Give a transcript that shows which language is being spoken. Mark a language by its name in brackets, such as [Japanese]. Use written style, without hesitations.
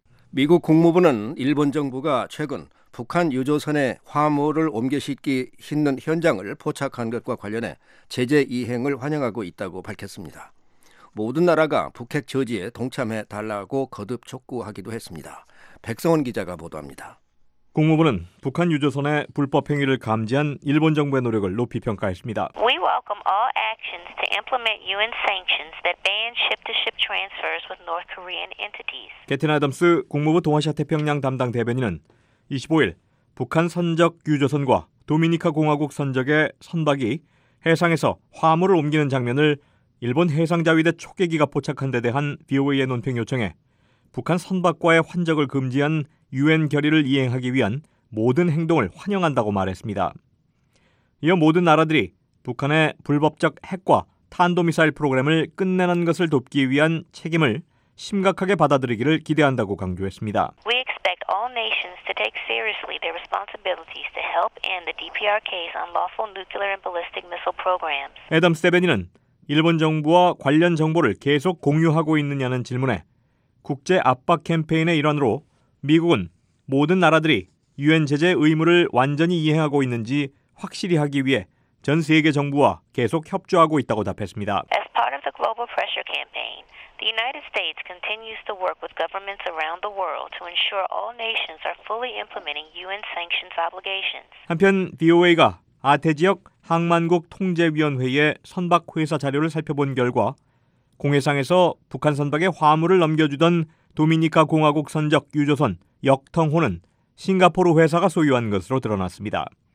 [Korean] 미국 국무부는 일본 정부가 최근 북한 유조선에 화물을 옮겨 싣는 현장을 포착한 것과 관련해 제재 이행을 환영하고 있다고 밝혔습니다. 모든 나라가 북핵 저지에 동참해 달라고 거듭 촉구하기도 했습니다. 백성원 기자가 보도합니다. 국무부는 북한 유조선의 불법 행위를 감지한 일본 정부의 노력을 높이 평가했습니다. [English] We welcome all actions to implement UN sanctions that ban ship-to-ship transfers with North Korean entities. [Korean] 캐티나 애덤스 국무부 동아시아 태평양 담당 대변인은 25일 북한 선적 유조선과 도미니카 공화국 선적의 선박이 해상에서 화물을 옮기는 장면을 일본 해상자위대 초계기가 포착한 데 대한 BOA의 논평 요청에 북한 선박과의 환적을 금지한 UN 결의를 이행하기 위한 모든 행동을 환영한다고 말했습니다. 이어 모든 나라들이 북한의 불법적 핵과 탄도미사일 프로그램을 끝내는 것을 돕기 위한 책임을 심각하게 받아들이기를 기대한다고 강조했습니다. [English] We expect all nations to take seriously their responsibilities to help end the DPRK's unlawful nuclear and ballistic missile programs. [Korean] 애덤 세베니는 일본 정부와 관련 정보를 계속 공유하고 있느냐는 질문에 국제 압박 캠페인의 일환으로 미국은 모든 나라들이 유엔 제재 의무를 완전히 이행하고 있는지 확실히 하기 위해 전 세계 정부와 계속 협조하고 있다고 답했습니다. [English] As part of the global pressure campaign, the United States continues to work with governments around the world to ensure all nations are fully implementing UN sanctions obligations. [Korean] 한편 VOA가 아태 지역 항만국 통제위원회의 선박 회사 자료를 살펴본 결과 공해상에서 북한 선박에 화물을 넘겨주던 도미니카 공화국 선적 유조선 역텅호는 싱가포르 회사가 소유한 것으로 드러났습니다.